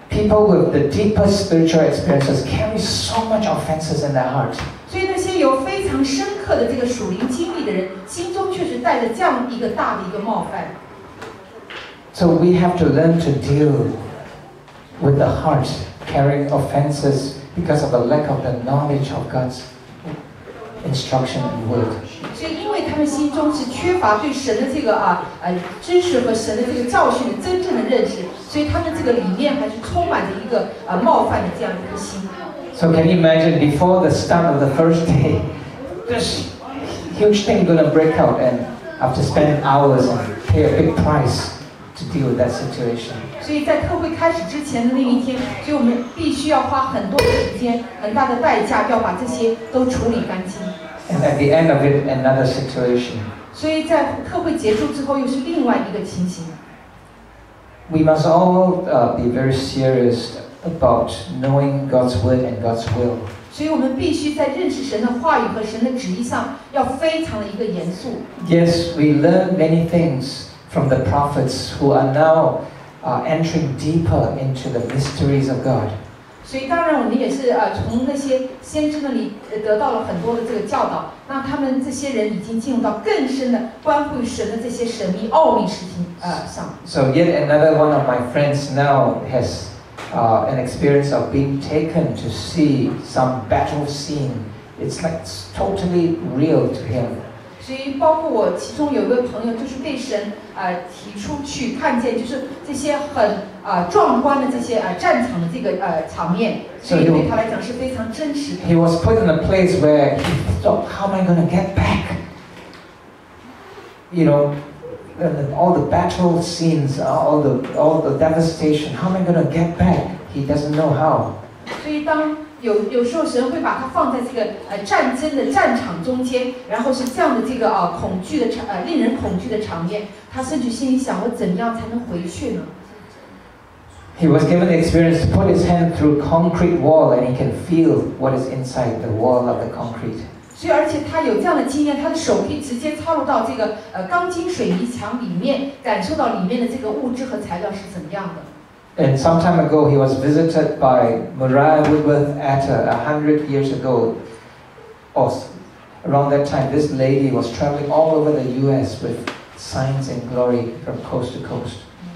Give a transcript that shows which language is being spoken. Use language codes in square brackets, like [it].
[en] People with the deepest spiritual experiences carry so much offenses in their heart. [zh] 所以那些有非常深刻的这个属灵经历的人，心中确实带着这样一个大的一个冒犯。 [en] So we have to learn to deal with the heart carrying offenses because of a lack of the knowledge of God's instruction and word. [zh] 所以因为他们心中是缺乏对神的这个知识和神的这个教训的真正的认识，所以他们这个里面还是充满着一个冒犯的这样一个心。 [en] So can you imagine before the start of the first day, this huge thing gonna break out, and after spending hours and pay a big price. To deal with that situation. [zh] 所以在特会开始之前的那一天，所以我们必须要花很多的时间，很大的代价，要把这些都处理干净。 [en] And at the end of it, another situation. [zh] 所以在特会结束之后，又是另外一个情形。 [en] We must all be very serious about knowing God's word and God's will. [zh] 所以我们必须在认识神的话语和神的旨意上，要非常的一个严肃。 [en] Yes, we learn many things. From the prophets who are now entering deeper into the mysteries of God. [zh] 所以当然我们也是从那些先知那里得到了很多的这个教导，那他们这些人已经进入到更深的关乎神的这些神秘奥秘事情上。 [en] So yet another one of my friends now has an experience of being taken to see some battle scene. It's like totally real to him. [zh] 所以包括我其中有一位朋友就是被神提出去看见就是这些很壮观的这些战场的这个场面，所以对他来讲是非常真实的。 [en] He was put in a place where he thought, how am I going to get back? You know, all the battle scenes, all the devastation, how am I going to get back? He doesn't know how. [zh] 所以当有时候神会把他放在这个战争的战场中间，然后是这样的这个恐惧的令人恐惧的场面，他甚至心里想，我怎样才能回去呢？ [en] He was given the experience to put his hand through concrete wall and he can feel what is inside the wall of the concrete. [zh] 所以而且他有这样的经验，他的手臂直接插入到这个钢筋水泥墙里面，感受到里面的这个物质和材料是怎么样的。 [en] And some time ago, he was visited by Moriah Woodworth Atta, 100 years ago, or around that time, this lady was traveling all over the U.S. with signs and glory from coast to coast.